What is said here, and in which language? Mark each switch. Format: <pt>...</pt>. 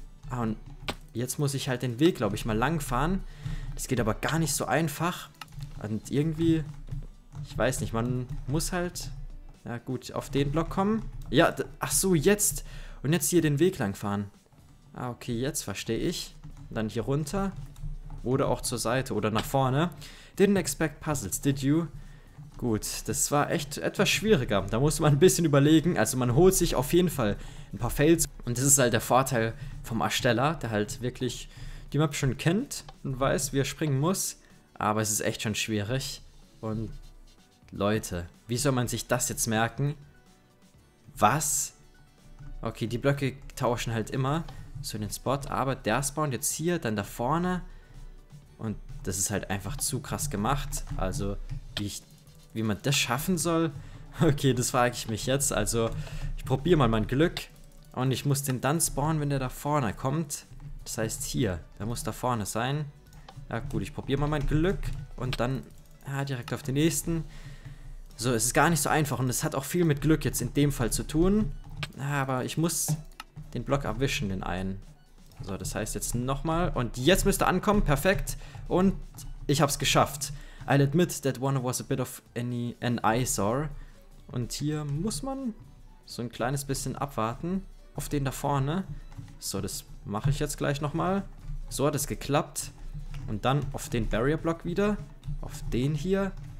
<de>Ah, und jetzt muss ich halt den Weg, glaube ich, mal lang fahren. Das geht aber gar nicht so einfach. Und irgendwie, ich weiß nicht, man muss halt, ja gut, auf den Block kommen. Ja, ach so, jetzt. Und jetzt hier den Weg lang fahren. Ah, okay, jetzt verstehe ich. Und dann hier runter. Oder auch zur Seite oder nach vorne.</de> <en>Didn't expect puzzles, did you?</en> <de>Gut, das war echt etwas schwieriger. Da musste man ein bisschen überlegen. Also man holt sich auf jeden Fall ein paar Fails. Und das ist halt der Vorteil vom Ersteller, der halt wirklich die Map schon kennt und weiß, wie er springen muss. Aber es ist echt schon schwierig. Und Leute, wie soll man sich das jetzt merken? Was? Okay, die Blöcke tauschen halt immer so in den Spot. Aber der spawnt jetzt hier, dann da vorne. Und das ist halt einfach zu krass gemacht. Also, wie man das schaffen soll? Okay, das frage ich mich jetzt. Also, ich probiere mal mein Glück. Und ich muss den dann spawnen, wenn der da vorne kommt. Das heißt hier, der muss da vorne sein. Ja gut, ich probiere mal mein Glück. Und dann ja, direkt auf den nächsten. So, es ist gar nicht so einfach. Und es hat auch viel mit Glück jetzt in dem Fall zu tun. Aber ich muss den Block erwischen, den einen. So, das heißt jetzt nochmal. Und jetzt müsste ankommen, perfekt. Und ich habe es geschafft.</de> <en>I'll admit that one was a bit of an eyesore.</en> <de>Und hier muss man so ein kleines bisschen abwarten. Auf den da vorne. So, das mache ich jetzt gleich nochmal. So hat es geklappt. Und dann auf den Barrier Block wieder. Auf den hier.</de>